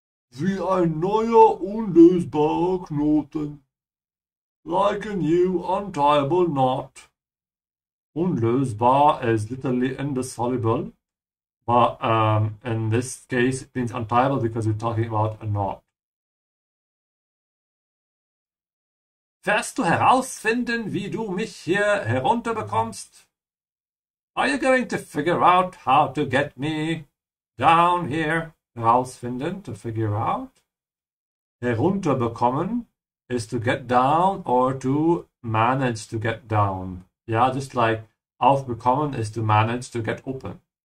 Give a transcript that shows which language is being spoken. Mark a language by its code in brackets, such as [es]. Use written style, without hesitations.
[de] Wie ein neuer unlösbarer Knoten. [en] Like a new untieable knot. Unlösbar is literally indissoluble. But in this case it means untieable because we're talking about a knot. [de] Wirst du herausfinden, wie du mich hier herunterbekommst? [en] Are you going to figure out how to get me down here? Herausfinden, to figure out. Herunterbekommen is to get down or to manage to get down. Yeah, just like aufbekommen is to manage to get open.